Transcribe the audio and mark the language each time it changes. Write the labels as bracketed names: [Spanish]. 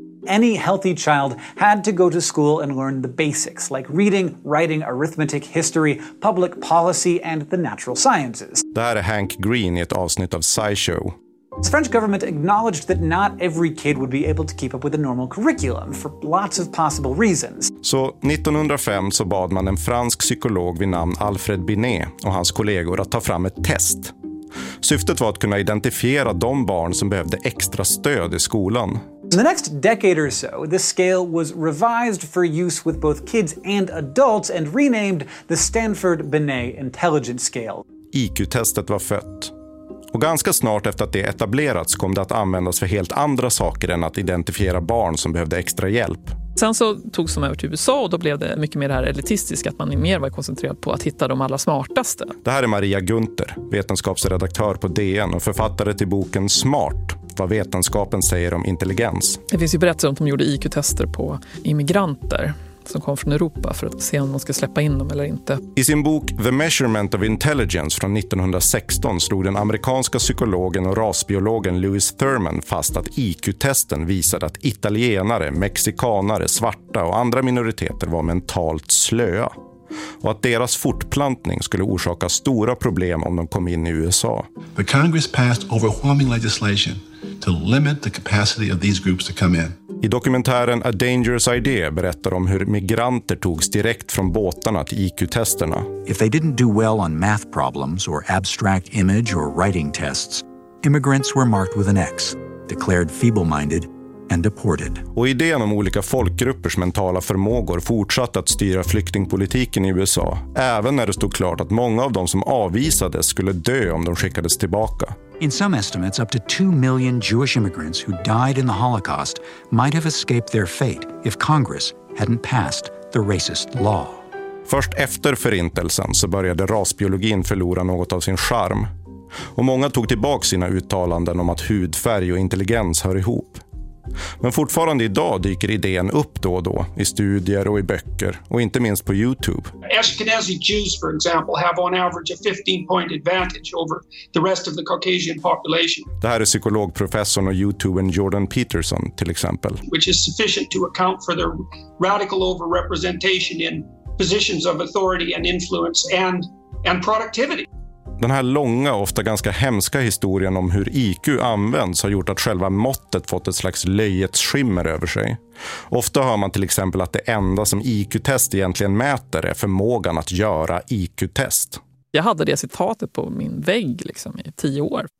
[English] Any healthy child had to go to school and learn the basics like reading, writing, arithmetic, history, public policy and the natural sciences. [Swedish] Det här är Hank Green i ett avsnitt av SciShow. [English] The French government acknowledged that not every kid would be able to keep up with a normal curriculum for lots of possible reasons. [Swedish] Så 1905 så bad man en fransk psykolog vid namn Alfred Binet och hans kollegor att ta fram ett test. Syftet var att kunna identifiera de barn som behövde extra stöd i skolan. [English] In the next decade or so, this scale was revised for use with both kids and adults and renamed the Stanford-Binet Intelligence Scale. [Swedish] IQ-testet var fött. Och ganska snart efter att det etablerats kom det att användas för helt andra saker än att identifiera barn som behövde extra hjälp. Sen så togs de över till USA och då blev det mycket mer det här elitistiskt, att man mer var koncentrerad på att hitta de allra smartaste. Det här är Maria Gunther, vetenskapsredaktör på DN och författare till boken Smart, vad vetenskapen säger om intelligens. Det finns ju berättelser om att de gjorde IQ-tester på immigranter som kom från Europa för att se om man ska släppa in dem eller inte. I sin bok The Measurement of Intelligence från 1916 slog den amerikanska psykologen och rasbiologen Lewis Thurman fast att IQ-testen visade att italienare, mexikanare, svarta och andra minoriteter var mentalt slöa. Och att deras fortplantning skulle orsaka stora problem om de kom in i USA. [English] The Congress passed overwhelming legislation to limit the capacity of these groups to come in. [Swedish] I dokumentären A Dangerous Idea berättar de hur migranter togs direkt från båtarna till IQ-testerna. [English] If they didn't do well on math problems or abstract image or writing tests, immigrants were marked with an X, declared feeble-minded and deported. [Swedish] Och idén om olika folkgruppers mentala förmågor fortsatte att styra flyktingpolitiken i USA, även när det stod klart att många av dem som avvisades skulle dö om de skickades tillbaka. [English] In some estimates, up to 2 million Jewish immigrants who died in the Holocaust might have escaped their fate if Congress hadn't passed the racist law. [Swedish] Först efter förintelsen så började rasbiologin förlora något av sin charm. Och många tog tillbaka sina uttalanden om att hudfärg och intelligens hör ihop. Men fortfarande idag dyker idén upp då och då, i studier och i böcker, och inte minst på YouTube. [English] Ashkenazi Jews, for example, have on average a 15-point advantage over the rest of the Caucasian population. [Swedish] Det här är psykologprofessorn och YouTubern Jordan Peterson, till exempel. [English] Which is sufficient to account for their radical overrepresentation in positions of authority and influence and productivity. [Swedish] Den här långa, ofta ganska hemska historien om hur IQ används har gjort att själva måttet fått ett slags löjets skimmer över sig. Ofta hör man till exempel att det enda som IQ-test egentligen mäter är förmågan att göra IQ-test. Jag hade det citatet på min vägg liksom i 10 år.